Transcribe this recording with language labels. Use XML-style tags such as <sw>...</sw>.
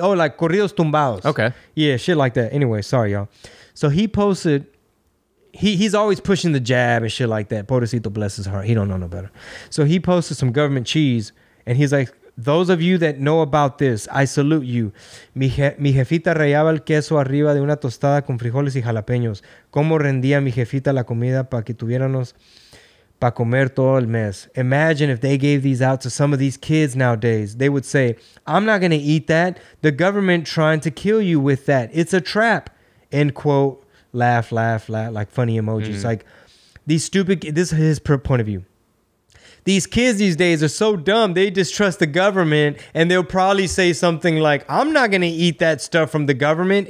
<en>Oh, like corridos tumbados. Okay. Yeah, shit like that. Anyway, sorry, y'all. So he posted, he's always pushing the jab and shit like that. Pobrecito bless his heart. He don't know no better. So he posted some government cheese, and he's like, those of you that know about this, I salute you.</en> <es>Mi jefita rayaba el queso arriba de una tostada con frijoles y jalapeños. ¿Cómo rendía mi jefita la comida para que tuviéramos para comer todo el mes?</es> <en>Imagine if they gave these out to some of these kids nowadays. They would say, I'm not going to eat that. The government trying to kill you with that. It's a trap. End quote. Laugh, laugh, laugh. Like funny emojis. Mm-hmm. Like these stupid, this is his point of view. these kids these days are so dumb, they distrust the government, and they'll probably say something like, I'm not going to eat that stuff from the government.</en>